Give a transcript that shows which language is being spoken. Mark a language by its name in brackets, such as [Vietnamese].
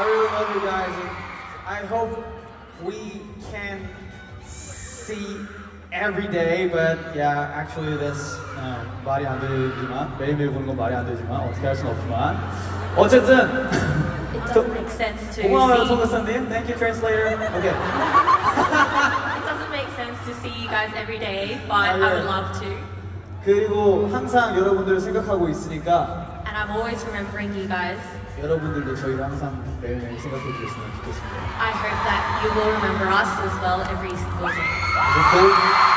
[English] I really love you guys. I hope we can see every day, but yeah, actually that's [Korean] 말이 안 되지만 매일매일 보는 건 말이 안 되지만 어떻게 할 순 없지만 어쨌든 [English] it doesn't make sense to [Korean] 고마워요, 선배님. [English] Thank you, translator. Okay. It doesn't make sense to see you guys every day, but yeah. I would love to. [Korean] 그리고 항상 여러분들을 생각하고 있으니까 [English] and I'm always remembering you guys. [Korean] 여러분들도 저희를 항상 매일매일 생각해 주셨으면 좋겠습니다. [English] I hope that you will remember us as well every single day.